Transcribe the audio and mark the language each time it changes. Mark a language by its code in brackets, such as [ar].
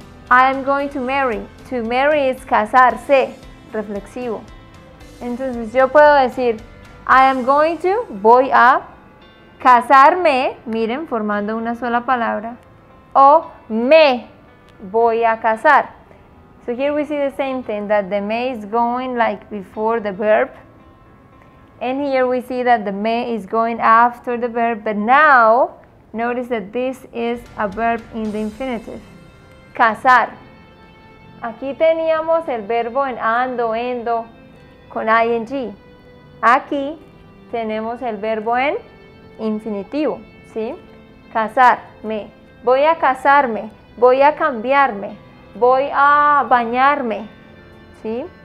[en] I am going to marry. To marry is casarse, reflexivo. [es] Entonces, yo puedo decir, [en] I am going to, [es] voy a casarme, miren, formando una sola palabra, o me voy a casar. [en] So here we see the same thing, that the me is going like before the verb. And here we see that the me is going after the verb. But now, notice that this is a verb in the infinitive. [es] Casar. Aquí teníamos el verbo en ando, endo, con ing. Aquí tenemos el verbo en infinitivo, ¿sí? Casarme. Voy a casarme, voy a cambiarme, voy a bañarme, ¿sí?